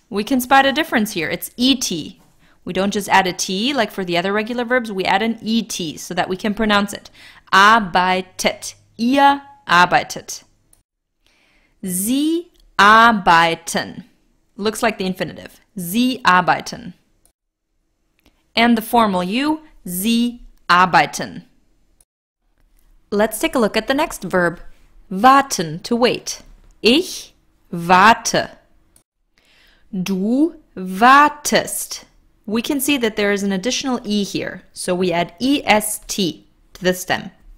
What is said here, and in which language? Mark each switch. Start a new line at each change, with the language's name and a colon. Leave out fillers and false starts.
English: We can spot a difference here. It's ET. We don't just add a T like for the other regular verbs. We add an ET so that we can pronounce it. Arbeitet.
German: Ihr arbeitet. Sie arbeiten.
English: Looks like the infinitive.
German: Sie arbeiten.
English: And the formal you,
German: sie arbeiten.
English: Let's take a look at the next verb, warten, to wait.
German: Ich warte. Du wartest.
English: We can see that there is an additional E here, so we add EST to the stem.